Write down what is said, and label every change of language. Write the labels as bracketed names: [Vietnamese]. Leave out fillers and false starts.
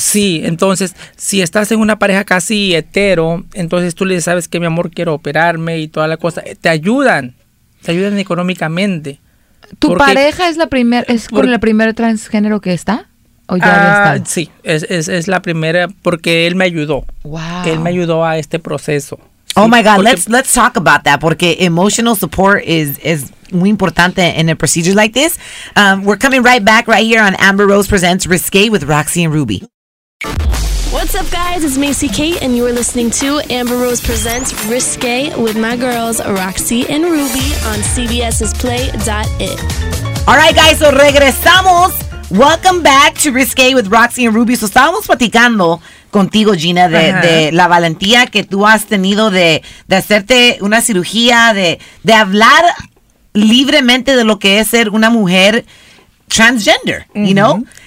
[Spanish] Sí, entonces, si estás en una pareja casi hetero, entonces tú le dices, sabes que mi amor, quiero operarme y toda la cosa, te ayudan económicamente. ¿Tu pareja es la primera transgénero que está? ¿O ya está? Sí, es la primera porque él me ayudó. Wow. Él me ayudó a este proceso. [English] Oh my God, let's talk about that, [Spanish] porque [English] emotional support is [Spanish] muy importante [English] in a procedure like this. We're coming right back right here on Amber Rose Presents Risqué with RaqC and Rubi. What's up, guys? It's Macy Kate, and you are listening to Amber Rose Presents Risqué with my girls, RaqC and Rubi, on CBS's Play.it. All right, guys, so [Spanish] regresamos. [English] Welcome back to Risqué with RaqC and Rubi. [Spanish] So estábamos platicando contigo, Gina, de la valentía que tú has tenido de hacerte una cirugía, de hablar libremente de lo que es ser una mujer transgender, mm-hmm. [English] You know?